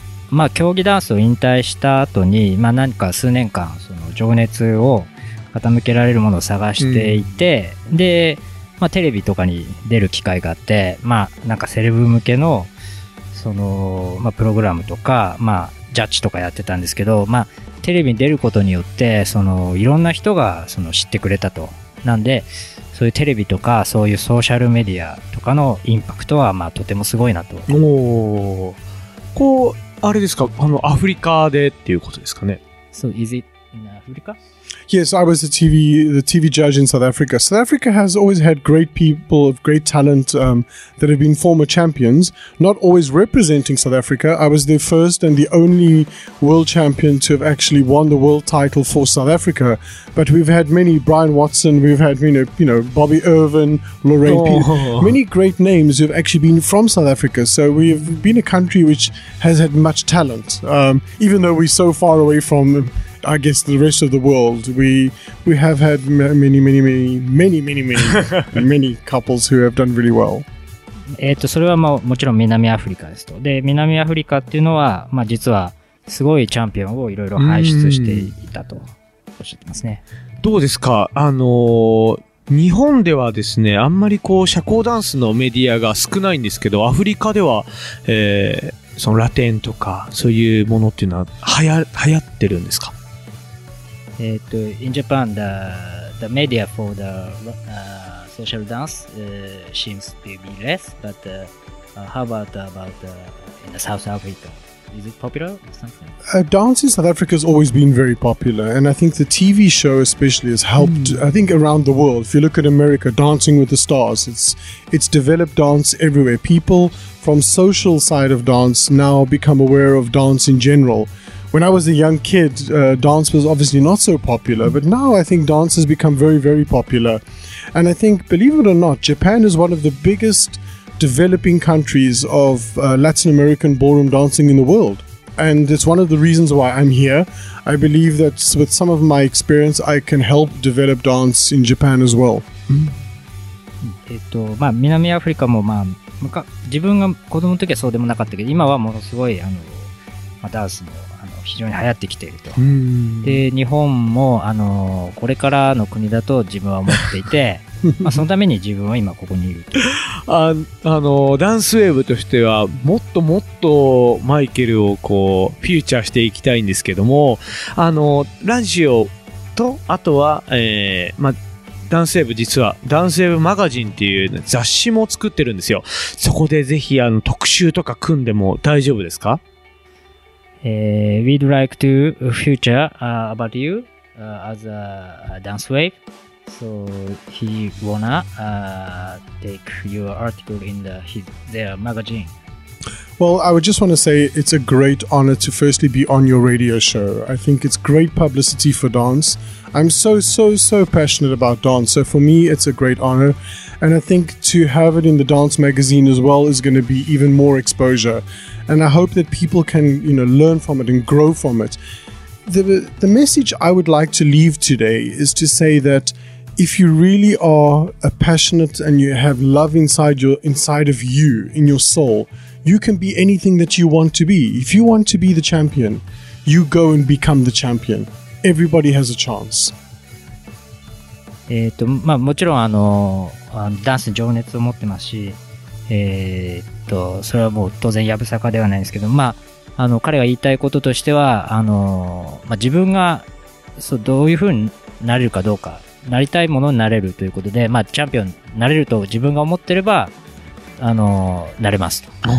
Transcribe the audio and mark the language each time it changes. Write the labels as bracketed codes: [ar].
[ja] まあ、競技ダンスを引退した後に、まあ、何か数年間その情熱を傾けられるものを探していて、うん、で、まあ、テレビとかに出る機会があって、まあ、なんかセレブ向けの、その、まあ、プログラムとか、まあ、ジャッジとかやってたんですけど、まあ、テレビに出ることによってそのいろんな人がその知ってくれたと。なんでそういうテレビとかそういうソーシャルメディアとかのインパクトは、まあ、とてもすごいなと。おー、こうあれですか、あのアフリカでっていうことですかね。 [en] So is it in Africa? Yes, I was the TV judge in South Africa. South Africa has always had great people of great talent、that have been former champions, not always representing South Africa. I was the first and the only world champion to have actually won the world title for South Africa. But we've had many, Brian Watson, we've had, you know Bobby Irvin, Lorraine、oh. many great names who have actually been from South Africa. So we've been a country which has had much talent,、even though we're so far away from... I guess the rest of the world, we have had many, many, many, many, many, many, many couples who have done really well. [ja] それは、まあ、もちろん南アフリカですと。で、南アフリカっていうのは、まあ、実はすごいチャンピオンをいろいろ輩出していたとおっしゃってますね。どうですか、日本ではですね、あんまりこう社交ダンスのメディアが少ないんですけど、アフリカでは、そのラテンとかそういうものっていうのは流行ってるんですか。 [en] In Japan, the media for the social dance seems to be less, but how about in the South Africa? Is it popular or something? Dance in South Africa has always been very popular, and I think the TV show especially has helped, I think around the world. If you look at America, Dancing with the Stars, it's developed dance everywhere. People from social side of dance now become aware of dance in general. When I was a young kid, dance was obviously not so popular, but now I think dance has become very, very popular. And I think, believe it or not, Japan is one of the biggest developing countries of Latin American ballroom dancing in the world. And it's one of the reasons why I'm here. I believe that with some of my experience, I can help develop dance in Japan as well. [ja] まあ、南アフリカも、まあ、自分が子供の時はそうでもなかったけど、今はものすごいあの、まあ、ダンスも非常に流行ってきていると。で、日本もあのこれからの国だと自分は思っていて、まあ、そのために自分は今ここにいると。あのダンスウェーブとしてはもっともっとマイケルをこうフューチャーしていきたいんですけども、あのラジオとあとは、まあダンスウェーブ、実はダンスウェーブマガジンっていう雑誌も作ってるんですよ。そこでぜひあの特集とか組んでも大丈夫ですか。 [en] We'd like to future about you as a dance wave. So he wanna take your article in their magazine. Well, I would just want to say it's a great honor to firstly be on your radio show. I think it's great publicity for dance. I'm so passionate about dance. So for me, it's a great honor. And I think to have it in the dance magazine as well is going to be even more exposure. And I hope that people can, you know, learn from it and grow from it. The message I would like to leave today is to say that if you really are a passionate and you have love inside of you, in your soul, you can be anything that you want to be. If you want to be the champion, you go and become the champion. Everybody has a chance. [ja] まあ、もちろんあの、ダンスに情熱を持ってますし、それはもう当然やぶさかではないんですけど、まあ、あの彼が言いたいこととしては、あの、まあ、自分がそうどういう風になれるかどうか、なりたいものになれるということで、まあ、チャンピオンになれると自分が思ってればあのなれますと。